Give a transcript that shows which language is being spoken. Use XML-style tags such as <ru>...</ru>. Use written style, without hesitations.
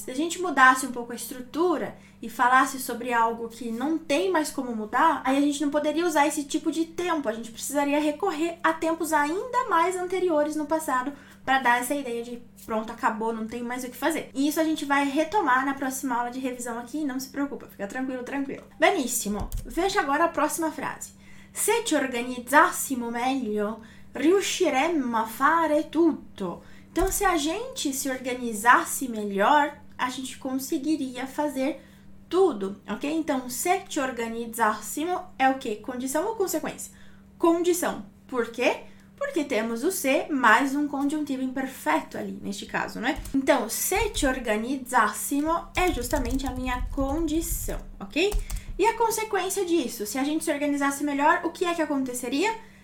<pt>Se a gente mudasse um pouco a estrutura e falasse sobre algo que não tem mais como mudar, aí a gente não poderia usar esse tipo de tempo. A gente precisaria recorrer a tempos ainda mais anteriores no passado para dar essa ideia de pronto, acabou, não tem mais o que fazer. E isso a gente vai retomar na próxima aula de revisão aqui. Não se preocupa, fica tranquilo, tranquilo. Benissimo, veja agora a próxima frase.</pt> <it>Se ci organizzassimo meglio, riusciremmo a fare tutto.</it> <pt>Então, se a gente se organizasse melhor, a gente conseguiria fazer tudo, ok? Então, se te organizássemos é o quê? Condição ou consequência? Condição. Por quê? Porque temos o se mais um conjuntivo imperfeito ali, neste caso, não é? Então, se te organizássemos é justamente a minha condição, ok? E a conseguenza disso, se a gente</pt> <it>si organizzasse meglio,</it> <pt>o che è che aconteceria?</pt>